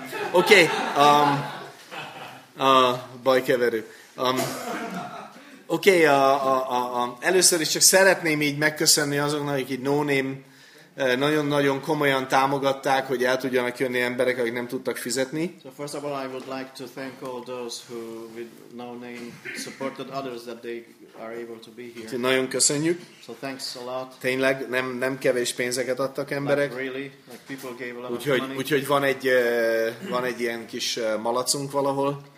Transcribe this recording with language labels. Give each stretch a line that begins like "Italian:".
Hungarian: Oké. Bajkeverő. Oké, először is csak szeretném így megköszönni azoknak, akik így no-name nagyon-nagyon komolyan támogatták, hogy el tudjanak jönni emberek, akik nem tudtak fizetni.
English: So first of all, I would like to thank all those who with no name supported others that they are able to be here.
Hungarian: Nagyon köszönjük.
English: So thanks a lot.
Hungarian: Tényleg nem kevés pénzeket adtak emberek.
English: Like really, like people gave a lot of money.
Hungarian: Úgyhogy van egy ilyen kis malacunk valahol.